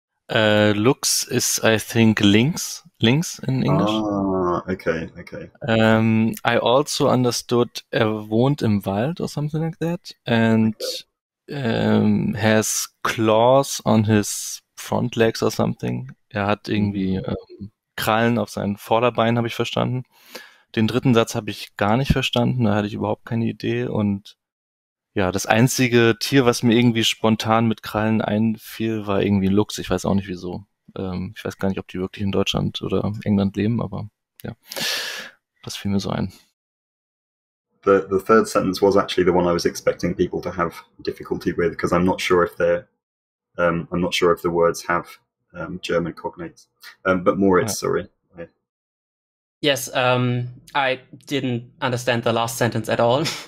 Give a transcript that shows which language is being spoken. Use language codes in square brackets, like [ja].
[en] Lux is, I think, lynx in English. Okay. I also understood er wohnt im Wald or something like that, and has claws on his front legs or something. [de] Er hat irgendwie Krallen auf seinen Vorderbeinen, habe ich verstanden. Den dritten Satz habe ich gar nicht verstanden, da hatte ich überhaupt keine Idee. Und ja, das einzige Tier, was mir irgendwie spontan mit Krallen einfiel, war irgendwie ein Luchs. Ich weiß auch nicht wieso. Ich weiß gar nicht, ob die wirklich in Deutschland oder England leben, aber ja, das fiel mir so ein. [en] The third sentence was actually the one I was expecting people to have difficulty with, because I'm not sure if the words have German cognates. But Moritz, sorry. Yes, I didn't understand the last sentence at all.